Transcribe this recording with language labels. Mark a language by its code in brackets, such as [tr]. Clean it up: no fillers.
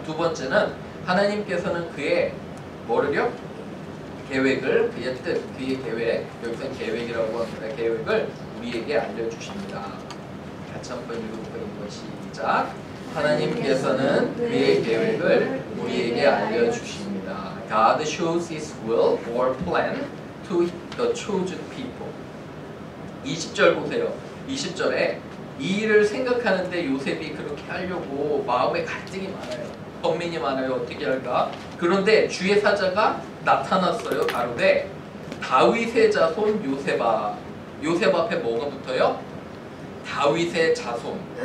[ko] 두 번째는 하나님께서는 그의 뭐를요? 계획을, 그의 뜻, 그의 계획, 여기서 계획이라고 합니다. 계획을 우리에게 알려주십니다. 같이 한번 읽어볼까요? 시작! 하나님께서는 그의 계획을 우리에게 알려주십니다. [en] God shows his will or plan to the chosen people. [ko] 20절 보세요. 20절에 이 일을 생각하는데 요셉이 그렇게 하려고 마음에 갈등이 많아요. 범민이 많아요. 어떻게 할까? 그런데 주의 사자가 나타났어요. 가로대 다윗의 자손 요셉아. 요셉 앞에 뭐가 붙어요? 다윗의 자손.